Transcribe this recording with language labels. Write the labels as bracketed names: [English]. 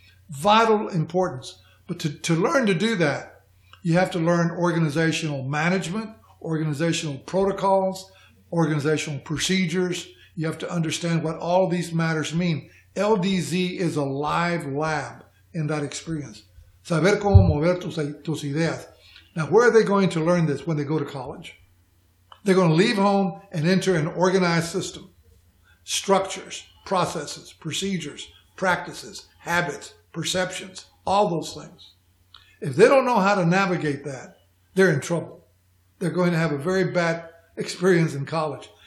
[English] Vital importance. But to learn to do that, you have to learn organizational management, organizational protocols, organizational procedures. You have to understand what all these matters mean. LDZ is a live lab in that experience. [Spanish] Saber cómo mover tus ideas. [English] Now, where are they going to learn this when they go to college? They're going to leave home and enter an organized system, structures, processes, procedures, practices, habits, perceptions, all those things. If they don't know how to navigate that, they're in trouble. They're going to have a very bad experience in college.